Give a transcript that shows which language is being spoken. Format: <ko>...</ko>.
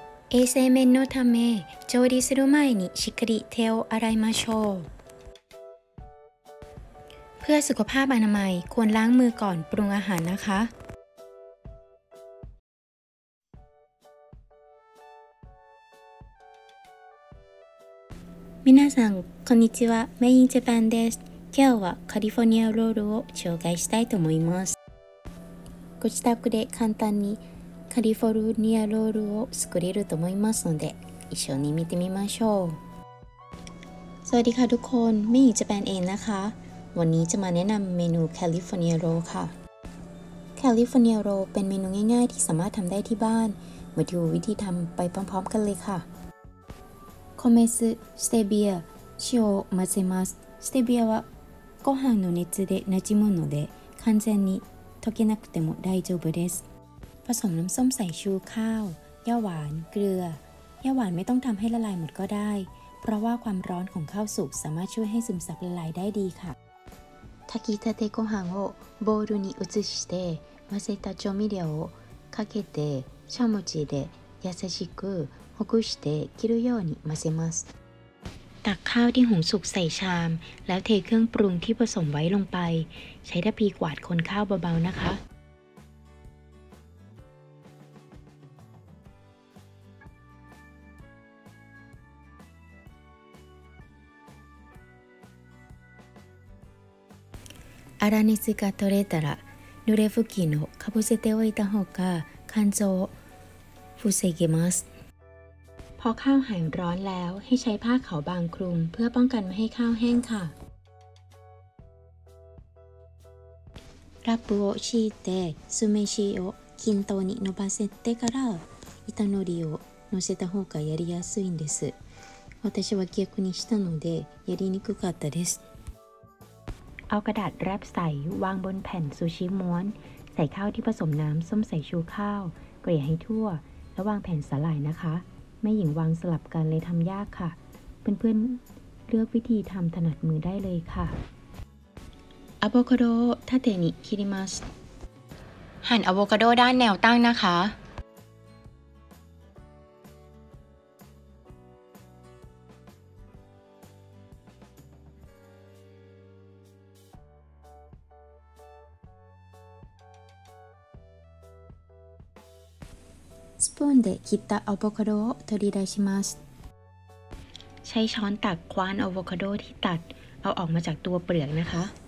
<ja>衛生面のため調理する前にしっかり手を洗いましょう。</ja> <th>เพื่อสุขภาพอนามัยควรล้างมือก่อนปรุงอาหารนะคะ</th> <ja>みなさんこんにちは。メインジャパンです。今日はカリフォルニアロールを紹介したいと思います。ご自宅で簡単にカリフォルニアロールを作れると思いますので、一緒に見てみましょう。</ja> <th>สวัสดีค่ะทุกคน。メインジャパンเองนะคะ。 วันนี้จะมาแนะนำเมนูแคลิฟอร์เนียโรลค่ะ。แคลิฟอร์เนียโรลเป็นเมนูง่ายๆที่สามารถทำได้ที่บ้าน。 มาดูวิธีทำไปพร้อมๆกันเลยค่ะ。</th> <ja>米酢、ステビア、塩を混ぜます。ステビアはご飯の熱で馴染むので、完全に溶けなくても大丈夫です。</ja> <th>ผสมน้ำส้มสายชูข้าวย่าหวานเกลือย่าหวานไม่ต้องทำให้ละลายหมดก็ได้เพราะว่าความร้อนของข้าวสุกสามารถช่วยให้ซึมซับละลายได้ดีค่ะ。</th> <ja>炊きたてご飯をボウルに移して、混ぜた調味料をかけて、しゃもじで優しくほぐして切るように混ぜます。</ja> <th>ตักข้าวที่หุงสุกใส่ชามแล้วเทเครื่องปรุงที่ผสมไว้ลงไปใช้ทัพพีกวาดคนข้าวเบาๆนะคะ</th> <ja>あら熱が取れたら濡れ布巾をかぶせておいた方が乾燥を防げます</ja> <th>พอข้าวหายร้อนแล้วให้ใช้ผ้าขาวบางคลุมเพื่อป้องกันไม่ให้ข้าวแห้งค่ะ</th> <ja>ラップを敷いて酢飯を均等に伸ばせてから板のりを乗せた方がやりやすいんです私は逆にしたのでやりにくかったです</ja> <th>เอากระดาษแรปใส่วางบนแผ่นซูชิม้วนใส่ข้าวที่ผสมน้ำส้มสายชูข้าวเกลี่ยให้ทั่วแล้ววางแผ่นสาหร่ายนะคะแม่หญิงวางสลับกันเลยทำยากค่ะเพื่อนๆเลือกวิธีทำถนัดมือได้เลยค่ะ</th> <ja>อะโวคาโดทาเตนิคิริมัส</ja> <th>หั่นอะโวคาโดด้านแนวตั้งนะคะ</th> <ja>スプーンで切ったアボカドを取り出します。</ja> <th>ใช้ช้อนตักคว้านอะโวคาโดที่ตัดเอาออกมาจากตัวเปลือกนะคะ。</th>